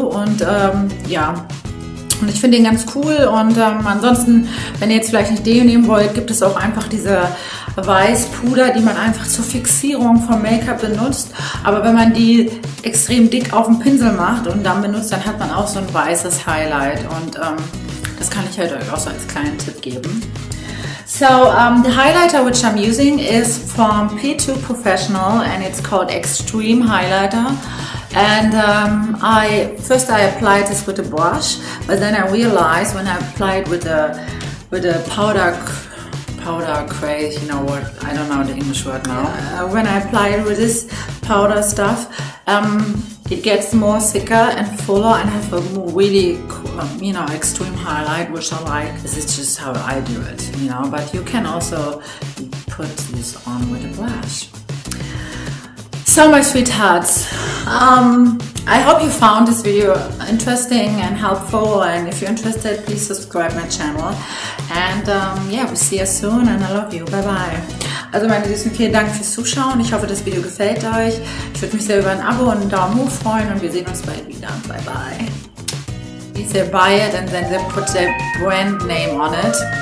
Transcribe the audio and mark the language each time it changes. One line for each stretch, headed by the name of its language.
German: Und ja. Und ich finde den ganz cool und ansonsten, wenn ihr jetzt vielleicht nicht Deo nehmen wollt, gibt es auch einfach diese Weißpuder, die man einfach zur Fixierung vom Make-up benutzt. Aber wenn man die extrem dick auf dem Pinsel macht und dann benutzt, dann hat man auch so ein weißes Highlight. Und das kann ich halt euch auch so als kleinen Tipp geben.
English: So, the highlighter which I'm using is from P2 Professional and it's called Extreme Highlighter. And I applied this with a brush, but then I realized when I applied with a powder craze, you know what, I don't know the English word now. When I apply it with this powder stuff, it gets more thicker and fuller and have a more really cool, you know, extreme highlight, which I like. This is just how I do it, you know, but you can also put this on with a brush. So my sweethearts, I hope you found this video interesting and helpful, and if you're interested, please subscribe my channel. And yeah, we'll see you soon and I love you.
German: Bye bye. Also meine Süßen, vielen Dank fürs Zuschauen. Ich hoffe, das Video gefällt euch. Ich würde mich sehr über ein Abo und einen Daumen hoch freuen und wir sehen uns bald wieder.
English: Bye bye. Please they buy it and then they put their brand name on it.